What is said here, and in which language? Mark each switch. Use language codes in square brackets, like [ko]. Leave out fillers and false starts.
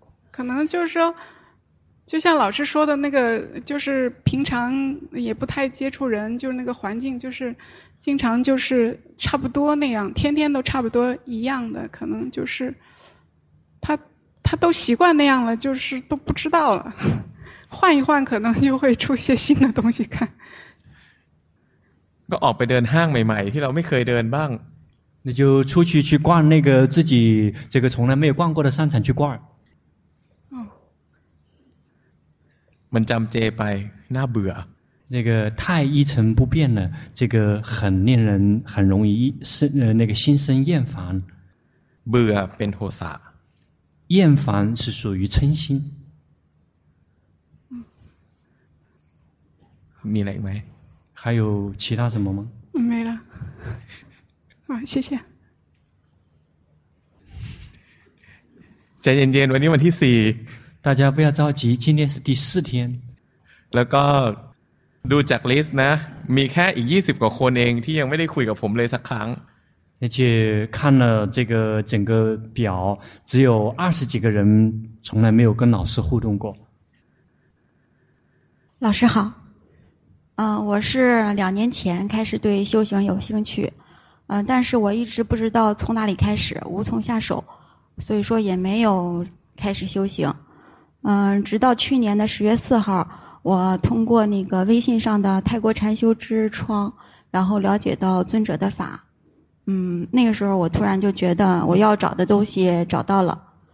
[zh] 可能就是说，就像老师说的那个，就是平常也不太接触人，就是那个环境，就是经常就是差不多那样，天天都差不多一样的，可能就是他都习惯那样了，就是都不知道了。换一换可能就会出现新的东西看 [th] ก็ออกไปเดินห้างใหม่ๆที่เราไม่เคยเดินบ้าง [zh] 那就出去逛那个自己这个从来没有逛过的商场去逛 [th] มันจำเจไปน่าเบื่อ [zh] 那个太一成不变了这个很令人很容易那个心生厌烦 [th] เบื่อเป็นโทสะ [zh] 厌烦是属于嗔心 [th] มีอะไรไหม [zh] 还有其他什么吗没了啊谢谢 [th] ใจเย็นเย็นวันนี้วันที่4 [zh] 大家不要着急今天是第四天 [th] แล้วก็ดูจากลิสต์นะมีแค่อีก20กว่าคนเองที่ยังไม่ได้คุยกับผมเลยสักครั้ง [zh] 而且看了这个整个表只有20几个人从来没有跟老师互动过老师好我是2年前开始对修行有兴趣但是我一直不知道从哪里开始无从下手所以说也没有开始修行直到去年的10月4号我通过那个微信上的泰国禅修之窗然后了解到尊者的法那个时候我突然就觉得我要找的东西找到了